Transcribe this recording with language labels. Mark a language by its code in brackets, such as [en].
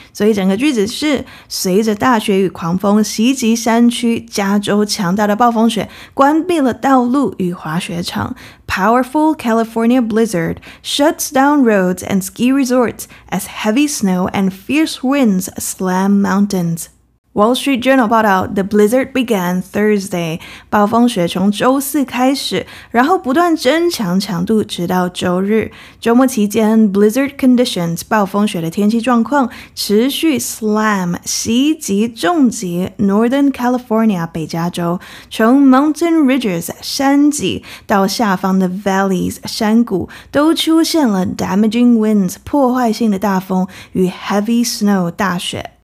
[zh] 所以整个句子是随着大雪与狂风袭击山区，加州强大的暴风雪关闭了道路与滑雪场。 [en] Powerful California Blizzard shuts down roads and ski resorts as heavy snow and fierce winds slam mountains. Wall Street Journal [zh] 报道 [en] The blizzard began Thursday. [zh] 暴风雪从周四开始，然后不断增强强度直到周日。周末期间 [en] blizzard conditions [zh] 暴风雪的天气状况持续 slam 袭击重击 Northern California 北加州，从 [en] mountain ridges [zh] 山脊到下方的 valleys 山谷都出现了 [en] damaging winds [zh] 破坏性的大风与 [en] heavy snow [zh] 大雪。